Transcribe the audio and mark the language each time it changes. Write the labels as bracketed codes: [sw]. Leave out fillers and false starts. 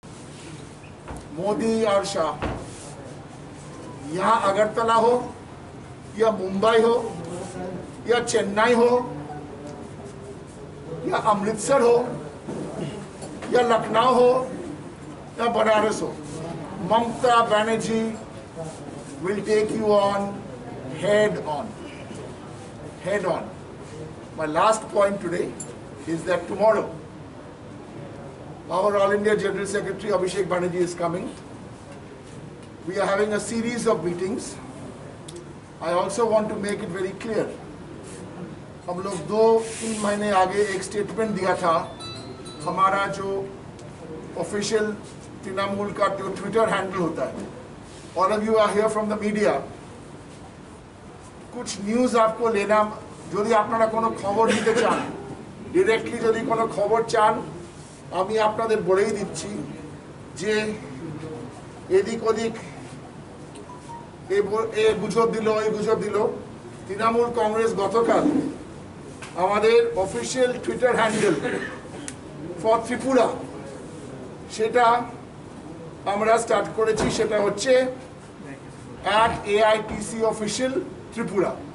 [hi] मोदी और शाह, यहाँ अगरतला हो या मुंबई हो या चेन्नई हो या अमृतसर हो या लखनऊ हो या बनारस हो, Mamata Banerjee [en] will take you on head on [hi] head on. [en] My last point today is that tomorrow our All India General Secretary Abhishek Banerjee is coming. We are having a series of meetings. I also want to make it very clear. [hi] हम लोग दो तीन महीने आगे एक statement दिया था. हमारा जो ऑफिशियल तृणमूल का जो ट्विटर हैंडल होता है, [en] all of you are here from the media, [hi] कुछ न्यूज आपको लेना, जो भी [bn] आपनारा कोनो खबर दीते चान डायरेक्टली, [hi] जो भी [bn] कोनो खबर चान আমি আপনাদের বলেই দিচ্ছি যে এদিক ওদিক এ গুজব দিল [hi] ওই গুজব দিল. [bn] তৃণমূল কংগ্রেস গতকাল আমাদের official Twitter handle for Tripura সেটা আমরা স্টার্ট করেছি, সেটা হচ্ছে @AITC অফিসিয়াল ত্রিপুরা.